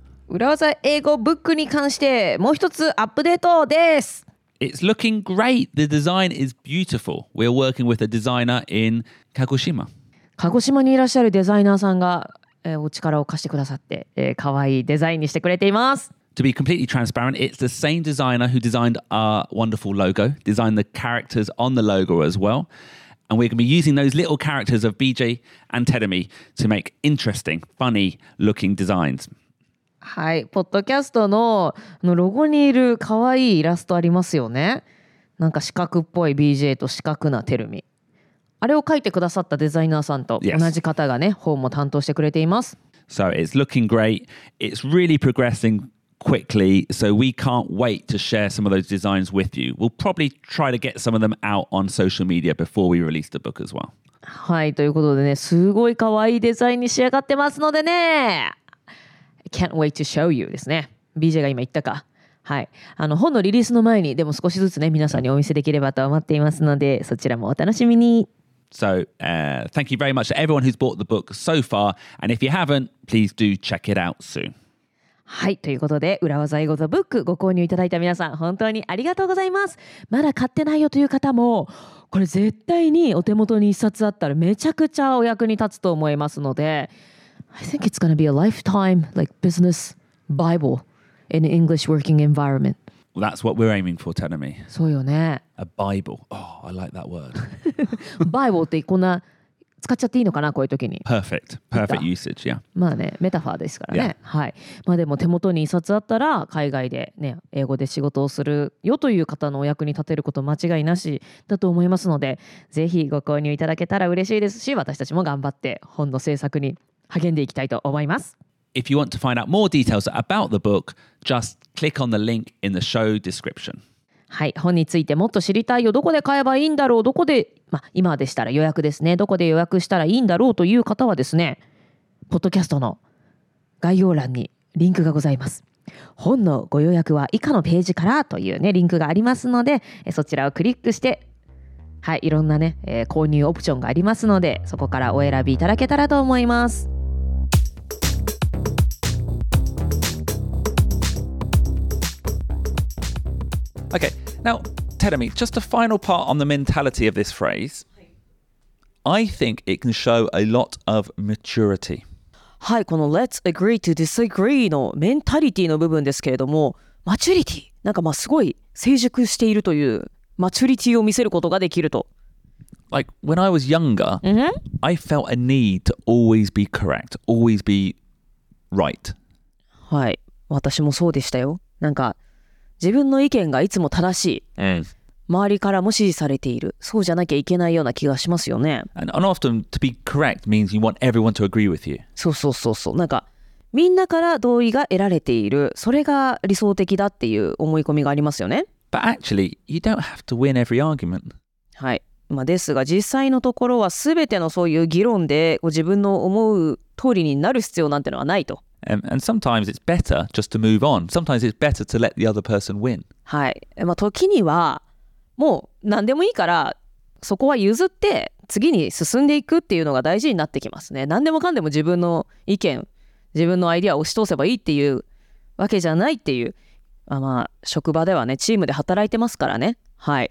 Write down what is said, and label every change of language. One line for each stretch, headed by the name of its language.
Japanese: 裏技英語 book に関してもう一つアップデートです。
English: It's looking great. The design is beautiful. We're working with a designer in Kagoshima.
Japanese: 鹿児島にいらっしゃるデザイナーさんが、お力を貸してくださって、可愛いデザインにしてくれています。
English: To be completely transparent, it's the same designer who designed our wonderful logo, designed the characters on the logo as well. And we're going to be using those little characters of BJ and Tedemi to make interesting, funny looking designs.
Japanese: はい、ポッドキャストのロゴにいる可愛いイラストありますよね。なんか四角っぽい BJ と四角なテルミ。あれを描いてくださったデザイナーさんと同じ方がね、
English: yes.
Japanese: 本も担当してくれています。
English: So it's looking great. It's really progressing quickly, so we can't wait to share some of those designs with you. We'll probably try to get some of them out on social media before we release the book as well.
Japanese: はい、ということでね、すごい可愛いデザインに仕上がってますのでね。
English: I can't wait to show you
Japanese: ですね。 BJ が今言ったか。はい、あの本のリリースの前にでも少しずつね皆さんにお見せできればと思っていますのでそちらもお楽しみに。
English: So, thank you very much to everyone who's bought the book so far. And if you haven't, please do check it out soon.
Japanese: はい、ということで、裏技英語 The Book ご購入いただいた皆さん、本当にありがとうございます。まだ買ってないよという方も、これ絶対にお手元に一冊あったらめちゃくちゃお役に立つと思いますので、
English: I think it's going to be a lifetime like business Bible in an English working environment. Well, that's what we're aiming for, Tanami.
Japanese: そうよね。
English: A Bible. Oh, I like that word.
Japanese: Bible ってこんな使っちゃっていいのかな、こういう時に。
English: Perfect. Perfect usage, yeah.
Japanese: まあね、メタファーですからね。
English: Yeah. はい。
Japanese: まあでも手元に一冊あったら、海外でね、英語で仕事をするよという方のお役に立てること間違いなしだと思いますので、ぜひご購入いただけたら嬉しいですし、私たちも頑張って本の制作に励んでいきたいと思います。
English: If you want to find out more details about the book, just click on the link in the show description.
Japanese: はい、本についてもっと知りたいよ。どこで買えばいいんだろう。どこで、まあ、今でしたら予約ですね。どこで予約したらいいんだろうという方はですね、ポッドキャストの概要欄にリンクがございます。本のご予約は以下のページからというね、リンクがありますので、そちらをクリックして、はい、いろんなね、購入オプションがありますので、そこからお選びいただけたらと思います。
English: Okay, now, Terumi, just a final part on the mentality of this phrase. I think it can show a lot of maturity.
Japanese: はい、この
English: let's agree to disagree
Japanese: のメンタリティの部分ですけれども、マチュリティ、なんかまあすごい成熟しているというマチュリティを見せることができると。
English: Like, when I was younger,、 mm-hmm. I felt a need to always be correct, always be right.
Japanese: はい、私もそうでしたよ。なんか、自分の意見がいつも正しい、 mm. 周りからも支持されているそうじゃなきゃいけないような気がしますよね。
English: And often to be correct means you want everyone to agree with you.
Japanese: そうそうそうそう、なんかみんなから同意が得られているそれが理想的だっていう思い込みがありますよね。
English: But actually you don't have to win every argument.
Japanese: はい、まあ、ですが実際のところは全てのそういう議論で自分の思う通りになる必要なんてのはないと。
English: And sometimes it's better just to move on. Sometimes it's better to let the other person win.
Japanese: はい。まあ、時にはもう何でもいいからそこは譲って次に進んでいくっていうのが大事になってきますね。何でもかんでも自分の意見、自分のアイデアを押し通せばいいっていうわけじゃないっていう、まあ、職場ではね、チームで働いてますからね。はい。